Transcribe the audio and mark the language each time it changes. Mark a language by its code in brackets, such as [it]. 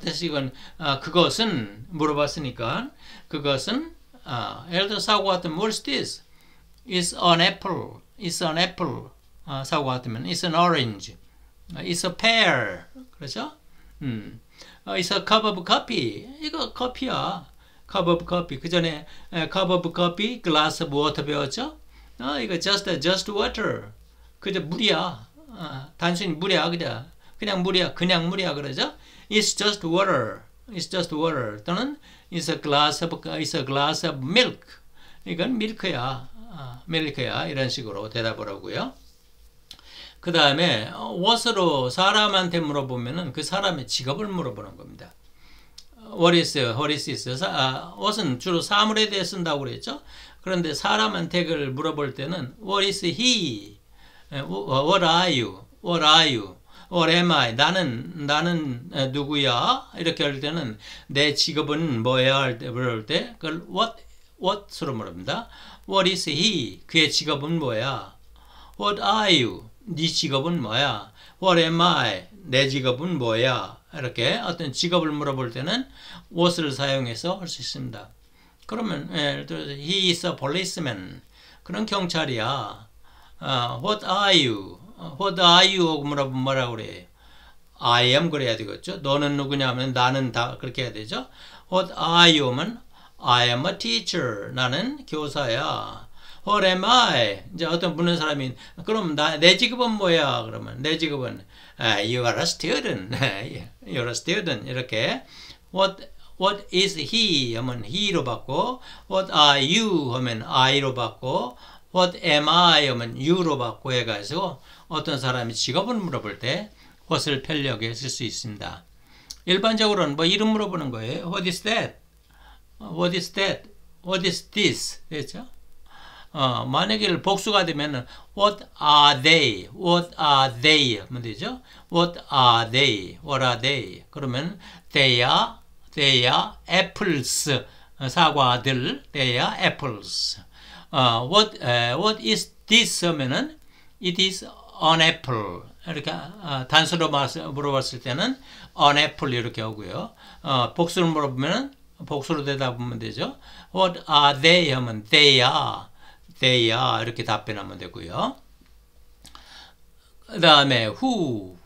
[ko] 이건 그것은 물어봤으니까 그것은 예를 들어 사과 같은 [en] What is this? It's an apple. It's an apple. [ko] 사과 같으면 [en] It's an orange. It's a pear. [ko] 그렇죠? [en] It's a cup of coffee. [ko] 이거 커피야. [en] Cup of coffee. [ko] 그 전에 [en] cup of coffee, glass of water [ko] 배웠죠? 이거 [en] just water. [ko] 그저 물이야. 단순히 물이야. 그냥 물이야. 그러죠? [en] It's just water. It's just water. [ko] 또는 [en] it's a glass of milk. [ko] 이건 밀크야. 밀크야. 이런 식으로 대답을 하고요. 그 다음에 what으로 사람한테 물어보면은 그 사람의 직업을 물어보는 겁니다. [en] What is this? [ko] What은 주로 사물에 대해 쓴다고 그랬죠? 그런데 사람한테 그걸 물어볼 때는 [en] What is he? What are you? What are you? What am I? [ko] 나는 누구야? 이렇게 할 때는 내 직업은 뭐야? 할때 물을 때 그걸 what으로 물습니다. [en] What is he? [ko] 그의 직업은 뭐야? [en] What are you? [ko] 네 직업은 뭐야? [en] What am I? [ko] 내 직업은 뭐야? 이렇게 어떤 직업을 물어볼 때는 what을 사용해서 할 수 있습니다. 그러면 예를 들어서 [en] he is a policeman. [ko] 그런 경찰이야. [en] What are you? What are you? [ko] 하고 물어보면 뭐라고 그래? [en] I am [ko] 그래야 되겠죠. 너는 누구냐 하면 나는 다 그렇게 해야 되죠. [en] What are you? [ko] 하면 [en] I am a teacher. [ko] 나는 교사야. [en] What am I? [ko] 이제 어떤 묻는 사람이 그럼 내 직업은 뭐야? 그러면 내 직업은 [en] you are a student. You are a student. [ko] 이렇게 [en] What is he? [ko] 하면 he로 받고 [en] What are you? [ko] 하면 I로 받고 [en] What am I? [ko] 하면 you로 받고 해가지고 어떤 사람이 직업을 물어볼 때 what을 편리하게 쓸 수 있습니다. 일반적으로는 뭐 이름 물어보는 거예요. [en] What is that? What is that? What is this? [ko] 그렇죠? 만약에 복수가 되면 [en] What are they? What are they? [ko] 하면 되죠? [en] What are they? What are they? [ko] 그러면 [en] they are apples. [ko] 사과들. [en] They are apples. What is this? [ko] 하면은 [en] It is an apple. [ko] 이렇게 단수로 물어봤을 때는 an apple 이렇게 하고요. 복수로 물어보면 복수로 대답하면 되죠. [en] What are they? [ko] 하면 [en] they are. They are [ko] 이렇게 답변하면 되고요. 그 다음에 who.